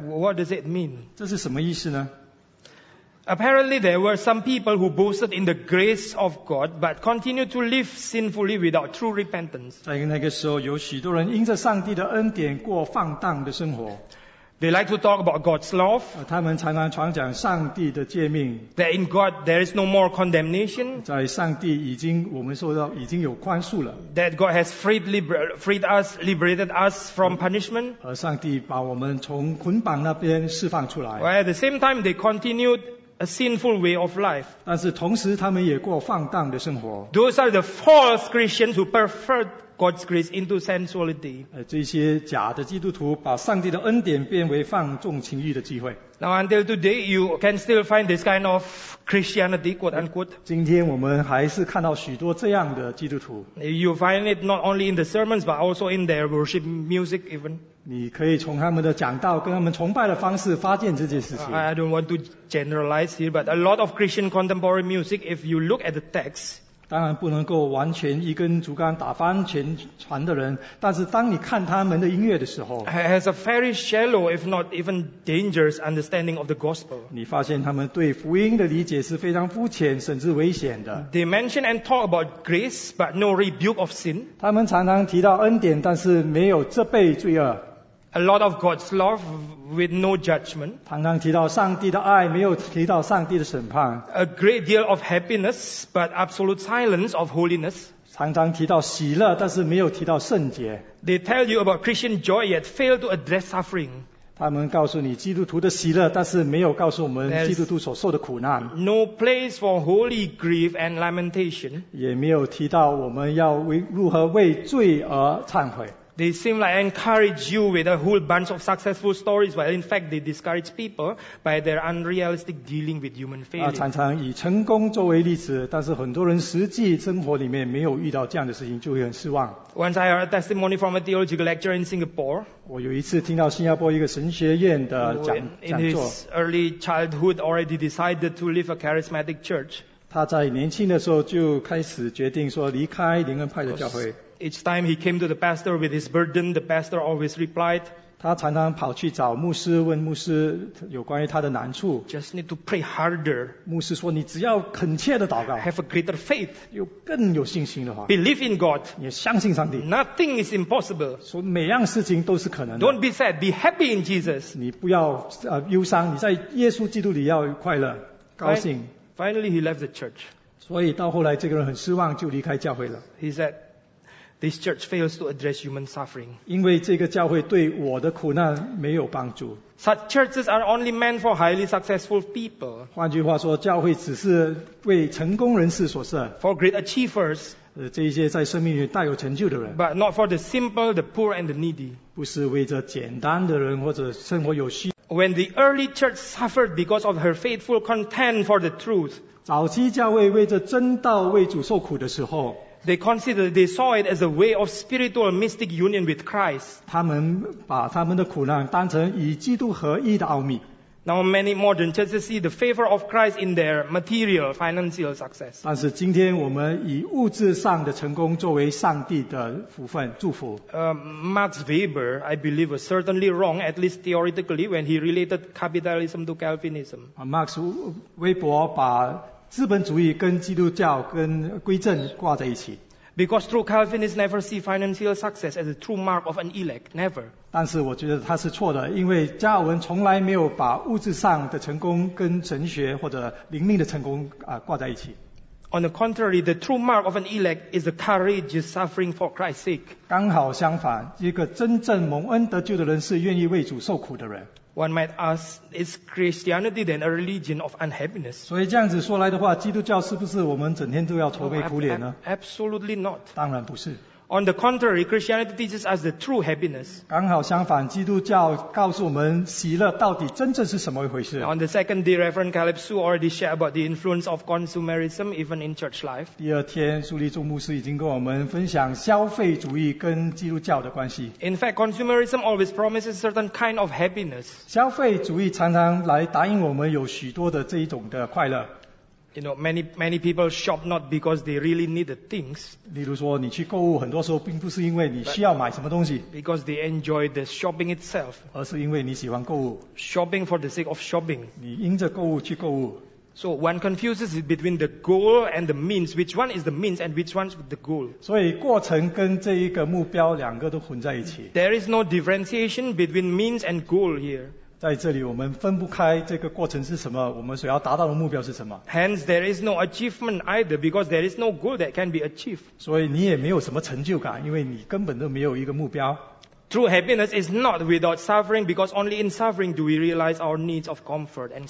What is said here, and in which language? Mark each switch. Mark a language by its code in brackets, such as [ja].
[en] What does it mean? [zh] 这是什么意思呢？ [en] Apparently there were some people who boasted in the grace of God but continued to live sinfully without true repentance. [zh] 在那个时候有许多人因着上帝的恩典过放荡的生活。 [en] They like to talk about God's love. [zh] 他们常常常讲上帝的诫命。 [en] That in God there is no more condemnation. [zh] 在上帝已经我们受到已经有宽恕了。 [en] That God has liberated us from punishment. [zh] 而上帝把我们从捆绑那边释放出来。 [en] While at the same time they continued a sinful way of life. [zh] 但是同时他们也过放荡的生活。 [en] Those are the false Christians who preferred God's grace into sensuality. [zh] 这些假的基督徒把上帝的恩典变为放纵情欲的机会。 [en] Now until today, you can still find this kind of Christianity, quote unquote. [zh] 今天我们还是看到许多这样的基督徒。 [en] You find it not only in the sermons, but also in their worship music even. [zh] 你可以从他们的讲道跟他们崇拜的方式发现这件事情。 [en] I don't want to generalize here, but a lot of Christian contemporary music, if you look at the text, [zh] 当然不能够完全一根竹竿打翻全船的人，但是当你看他们的音乐的时候 [en] ，has a very shallow, if not even dangerous, understanding of the gospel. [zh] 你发现他们对福音的理解是非常肤浅，甚至危险的。 [en] They mention and talk about grace, but no rebuke of sin. [zh] 他们常常提到恩典，但是没有责备罪恶。 [en] A lot of God's love with no judgment. [zh] 常常提到上帝的爱，没有提到上帝的审判。 [en] A great deal of happiness, but absolute silence of holiness. [zh] 常常提到喜乐，但是没有提到圣洁。 [en] They tell you about Christian joy, yet fail to address suffering. [zh] 他们告诉你基督徒的喜乐，但是没有告诉我们基督徒所受的苦难。 [en] No place for holy grief and lamentation. [zh] 也没有提到我们要如何为罪而忏悔。 [en] They seem like encourage you with a whole bunch of successful stories, while in fact they discourage people by their unrealistic dealing with human failure. [zh] 常常以成功作为例子，但是很多人实际生活里面没有遇到这样的事情，就会很失望。 [en] Once I heard a testimony from a theological lecturer in Singapore. [zh] 我有一次听到新加坡一个神学院的讲座。 [en] In his early childhood, already decided to leave a charismatic church. [zh] 他在年轻的时候就开始决定说离开灵恩派的教会。 [en] Each time he came to the pastor with his burden, the pastor always replied, [zh] 他常常跑去找牧师，问牧师有关于他的难处。 [en] Just need to pray harder. [zh] 牧师说，你只要恳切的祷告。 [en] Have a greater faith. [zh] 有更有信心的话。 [en] Believe in God. [zh] 你相信上帝。 [en] Nothing is impossible. [zh] 说每样事情都是可能的。 [en] Don't be sad, be happy in Jesus. [zh] 你不要忧伤，你在耶稣基督里要快乐，高兴。 [en] Finally, he left the church. [zh] 所以到后来，这个人很失望，就离开教会了。 [en] He said,This church fails to address human suffering. [zh] 因为这个教会对我的苦难没有帮助。 [en] Such churches are only meant for highly successful people. [zh] 换句话说，教会只是为成功人士所设。 [en] For great achievers. [zh] 这些在生命里大有成就的人。 [en] But not for the simple, the poor and the needy. [zh] 不是为着简单的人或者生活有需。 [en] When the early church suffered because of her faithful contend for the truth. [zh] 早期教会为着真道为主受苦的时候。 [en] They considered, they saw it as a way of spiritual mystic union with Christ. [zh] 他们把他们的苦难当成与基督合一的奥秘。 [en] Now many modern churches see the favor of Christ in their material financial success. [zh] 但是今天我们以物质上的成功作为上帝的福分祝福。 [en] Max Weber, I believe, was certainly wrong, at least theoretically, when he related capitalism to Calvinism. [zh] Max Weber 把资本主义跟基督教跟归正挂在一起。 [en] Because true Calvinists never see financial success as a true mark of an elect, never. [zh] 但是我觉得他是错的，因为加尔文从来没有把物质上的成功跟神学或者灵命的成功挂在一起。 [en] On the contrary, the true mark of an elect is the courageous suffering for Christ's sake. [zh] 刚好相反，一个真正蒙恩得救的人是愿意为主受苦的人。 [en] One might ask, is Christianity then a religion of unhappiness? [zh] 所以这样子说来的话，基督教是不是我们整天都要愁眉苦脸呢？ [en] Absolutely not. [zh] 当然不是。 [en] On the contrary, Christianity teaches us the true happiness. [zh] 刚好相反，基督教告诉我们喜乐到底真正是什么一回事。 [en] On the second day, Reverend Caleb Sue already shared about the influence of consumerism even in church life. [zh] 第二天，苏立中牧师已经跟我们分享消费主义跟基督教的关系。 [en] In fact, consumerism always promises a certain kind of happiness. [zh] 消费主义常常来答应我们有许多的这一种的快乐。 [en] You know, many people shop not because they really need the things. [zh] 例如说，你去购物，很多时候并不是因为你需要买什么东西。 [en] Because they enjoy the shopping itself. [zh] 而是因为你喜欢购物。 [en] Shopping for the sake of shopping. [zh] 你因着购物去购物。 [en] So one confuses it between the goal and the means. Which one is the means and which one's the goal? [zh] 所以过程跟这一个目标两个都混在一起。 [en] There is no differentiation between means and goal here. [zh] 在这里我们分不开这个过程是什么，我们所要达到的目标是什么。 [en] Hence there is no achievement either because there is no goal that can be achieved. [zh] 所以你也没有什么成就感，因为你根本都没有一个目标。 [en] True happiness is not without suffering because only in suffering do we realize our needs of comfort and consolation.